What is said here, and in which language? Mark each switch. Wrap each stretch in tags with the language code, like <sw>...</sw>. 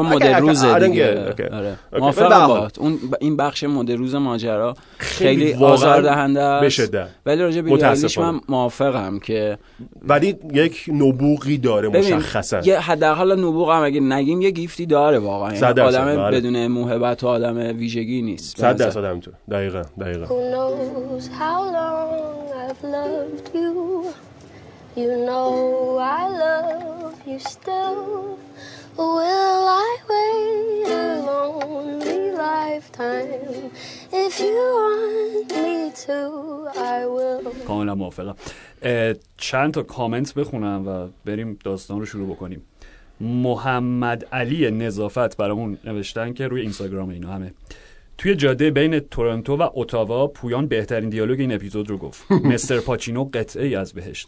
<fa>چون مدل روزه دیگه موافقم باهات اون این بخش مدل روز ماجرا خیلی آزاردهنده است ولی راجع به ایرانیش من موافقم که ولی یک نبوغی داره مشخصا یه حداقل نبوغ هم اگه نگیم یه گیفتی داره واقعا آدم بدون موهبت و آدم ویژگی نیست 100 درصد هم تو دقیقاً</fa> <en>Who knows how long I've loved you You know I love you still Will I wait a lonely lifetime If you want me to, I will</en> <fa>کاملا موافقم چند تا کامنت بخونم و بریم داستان رو شروع بکنیم محمد علی نظافت برامون نوشتن که روی اینستاگرام اینا همه توی جاده بین تورنتو و اتاوا پویان بهترین دیالوگ این اپیزود رو گفت مستر پاچینو قطعه ای از بهشت</fa>